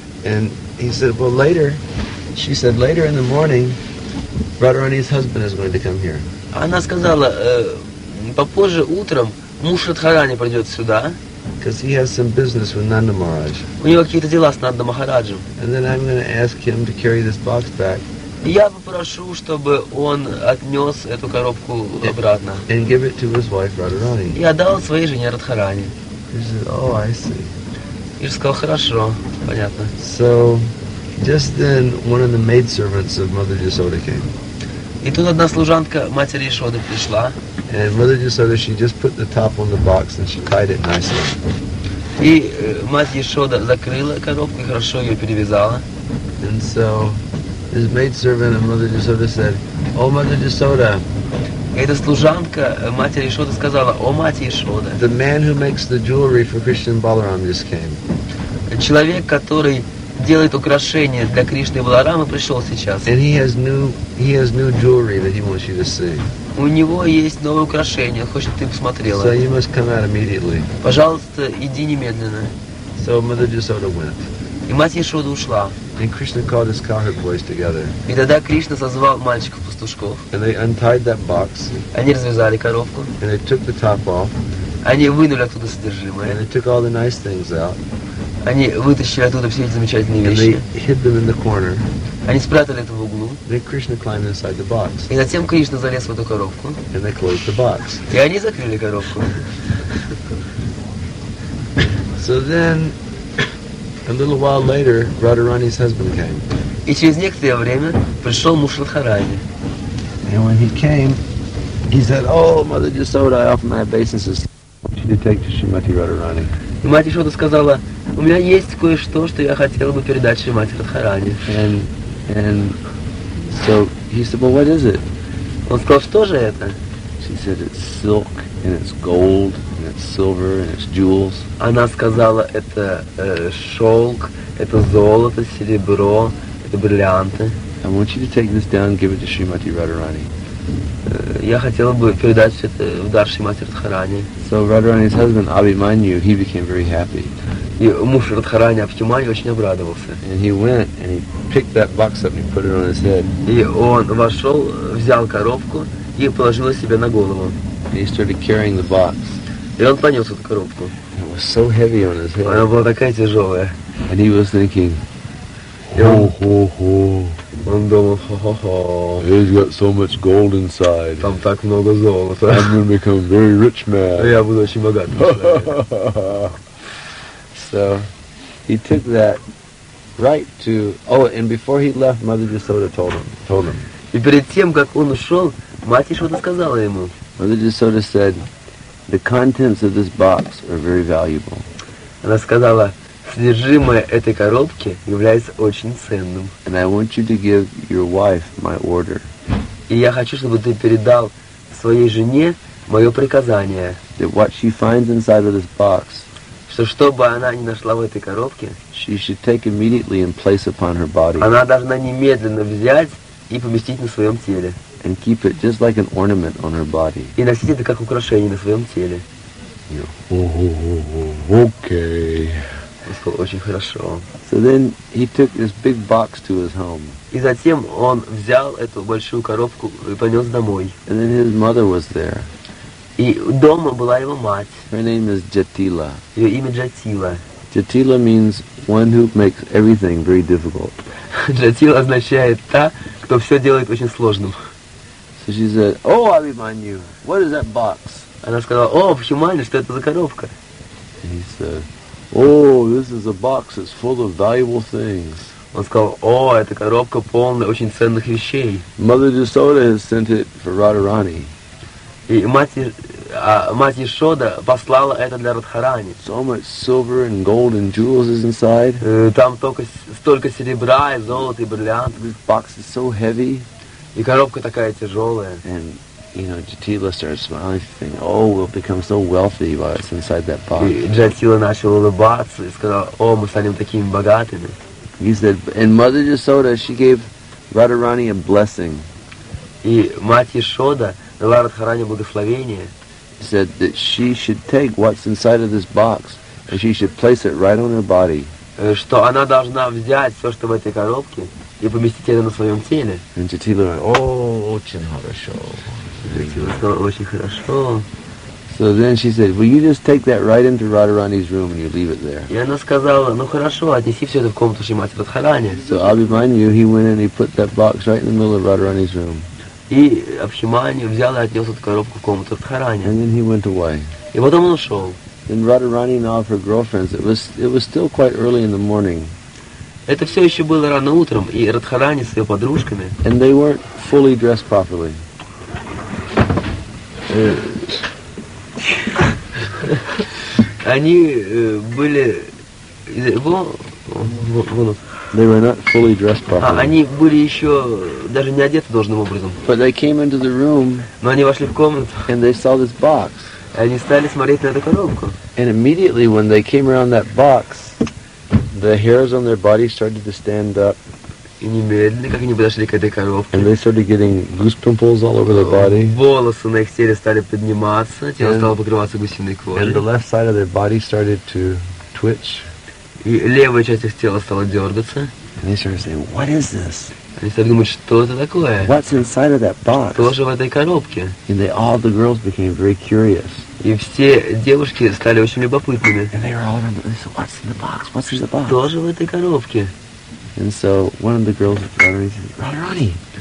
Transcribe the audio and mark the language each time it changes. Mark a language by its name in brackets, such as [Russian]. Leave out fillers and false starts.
[English] And he said, well, later, she said, later in the morning, Radharani's husband is going to come here. [Russian] Она сказала, попозже утром муж Радхарани придет сюда. [English] Because he has some business with Nanda Maharaj. [Russian] У него какие-то дела с Нанда Махараджем. [English] And then I'm going to ask him to carry this box back. [Russian] Я попрошу, чтобы он отнес эту коробку обратно. [English] And give it to his wife, Radharani. [Russian] И отдал своей жене Радхарани. [English] He said, oh, I see. [Russian] И сказал, хорошо, понятно. [English] So, just then, one of the maidservants of Mother Yashoda came. [Russian] И тут одна служанка матери Ясоды пришла. [English] And Mother Yashoda, she just put the top on the box and she tied it nicely. [Russian] И мать Ясода закрыла коробку, хорошо ее перевязала. [English] And so, this maidservant of Mother Yashoda said, oh, Mother Yashoda, [Russian] эта служанка матери Ясоды сказала, о, мать Ясоды. [English] The man who makes the jewelry for Krishna and Balaram just came. [Russian] Человек, который делает украшения для Кришны и Баларамы, пришел сейчас. [English] And he has new jewelry that he wants you to see. [Russian] У него есть новое украшение, хочет, чтобы ты посмотрела. [English] So you must come out immediately. [Russian] Пожалуйста, иди немедленно. [English] So Mother Ясоды went. [Russian] И мать Ясоды ушла. [English] And Krishna called his cowherd boys together. [Russian] И тогда Кришна созвал мальчиков-пастушков. [English] And they untied that box. [Russian] Они развязали коробку. [English] And they took the top off. [Russian] Они вынули оттуда содержимое. [English] And they took all the nice things out. [Russian] Они вытащили оттуда все эти замечательные вещи. [English] And they hid them in the corner. [Russian] Они спрятали это в углу. [English] Then Krishna climbed inside the box. [Russian] И затем Кришна залез в эту коробку. [English] And they closed the box. [Russian] И они закрыли коробку. [English] So then, a little while later, Radharani's husband came. [Russian] И через некоторое время пришел муж Радхарани. [English] And when he came, he said, "Oh, Mother Yashoda, I offer my obeisances to take to Shrimati Radharani." [Russian] И мать Ясода сказала, "У меня есть кое-что, что я хотела бы передать Шримати Радхарани." [English] And so he said, "Well, what is it?" [Russian] Он сказал, "Что же это?" [English] She said, "It's silk and it's gold." And it's silver and it's jewels. [Russian] Она сказала, это шелк, это золото, серебро, это бриллианты. [English] I want you to take this down and give it to Shrimati Radharani. [Russian] Я хотел бы передать это в Дарши Мастер Радхарани. [English] So Radharani's husband Abhimanyu, he became very happy. [Russian] И муж Радхарани Абхиманью очень обрадовался. [English] And he went and he picked that box up and he put it on his head. [Russian] И он вошел, взял коробку и положил себе на голову. [English] And he started carrying the box. [Russian] И он понес эту коробку. [English] It was so heavy on his head. [Russian] Она была такая тяжелая. [English] And he was thinking, [Russian] Он думал, ха-ха-ха. [English] He's got so much gold inside. [Russian] Там так много золота. [English] I'm going to become a very rich man. [Russian] Я буду очень богатым. [English] So he took that right to. Oh, and before he left, Mother Jasoda told him. [Russian] И перед тем, как он ушел, мать что-то сказала ему. [English] Mother Jasoda said, "The contents of this box are very valuable." [Russian] Она сказала. Содержимое этой коробки является очень ценным. [English] And I want you to give your wife my order. [Russian] И я хочу, чтобы ты передал своей жене мое приказание. [English] That what she finds inside of this box, [Russian] что бы она ни нашла в этой коробке, [English] she should take immediately and place upon her body. [Russian] Она должна немедленно взять и поместить на своем теле. [English] And keep it just like an ornament on her body. [Russian] И носить это как украшение на своем теле. [English] Okay. [Russian] Очень хорошо. [English] So then he took this big box to his home. [Russian] И затем он взял эту большую коробку и понес домой. [English] And then his mother was there. [Russian] И дома была его мать. [English] Her name is Jatila. [Russian] Ее имя Джатила. [English] Jatila means one who makes everything very difficult. [Russian] Джатила означает та, кто все делает очень сложным. [English] So she said, "Oh, Abhimanyu, what is that box?" [Russian] Она сказала, "О, Абхиманю, что это за коробка?" [English] And he said. Oh, this is a box that's full of valuable things. [Russian] Он сказал, о, эта коробка полная очень ценных вещей. [English] Mother Jasoda has sent it for Radharani. [Russian] И мать Ишода послала это для Радхарани. [English] So much silver and gold and jewels is inside. [Russian] Там только столько серебра и золота и бриллиантов. [English] This box is so heavy. [Russian] И коробка такая тяжелая. [English] And you know, Jatila started smiling, thinking, "Oh, we'll become so wealthy while it's inside that box." [Russian] Jatila начал улыбаться и сказал, "О, мы станем такими богатыми." [English] He said, "And Mother Jasoda, she gave Radharani a blessing." [Russian] И мать Ишода дала Радхарани благословение. [English] He said that she should take what's inside of this box and she should place it right on her body. [Russian] Что она должна взять все, что в этой коробке, и поместить это на своем теле. [English] And Jatila, "Oh, [Russian] очень хорошо." [English] So then she said, "Will you just take that right into Radharani's room and you leave it there?" [Russian] И она сказала, "Ну хорошо, отнеси все это в комнату Шри Мати Радхарани." [English] So Abhimanyu, he went and he put that box right in the middle of Radharani's room. [Russian] И Абхиманью взял и отнес эту коробку в комнату Радхарани. [English] And then he went away. [Russian] И потом он ушел. [English] Then Radharani and all of her girlfriends, it was still quite early in the morning. [Russian] Это все еще было рано утром, и Радхарани с ее подружками. [English] And they weren't fully dressed properly. [Russian] Они были, [English] they were not fully dressed properly. [Russian] Они были еще даже не одеты должным образом. [English] But they came into the room. [Russian] Но они вошли в комнату. [English] And they saw this box. [Russian] Они стали смотреть на эту коробку. [English] And immediately when they came around that box, the hairs on their body started to stand up. [Russian] И немедленно, как они подошли к этой коробке. [English] And they started getting goose pimples all over their body. [Russian] Волосы на их теле стали подниматься, тело стало покрываться гусиной кожей. [English] And the left side of their body started to twitch. [Russian] И левая часть их тела стала дергаться. [English] And they started saying, "What is this?" [Russian] Они стали думать, что это такое? [English] What's inside of that box? [Russian] Что же в этой коробке? [English] And they, all the girls became very curious. [Russian] И все девушки стали очень любопытными. [English] And they were all around, they said, "What's in the box? What's in the box?" [Russian] Что же в этой коробке? [English] And so one of the girls said, "Radharani."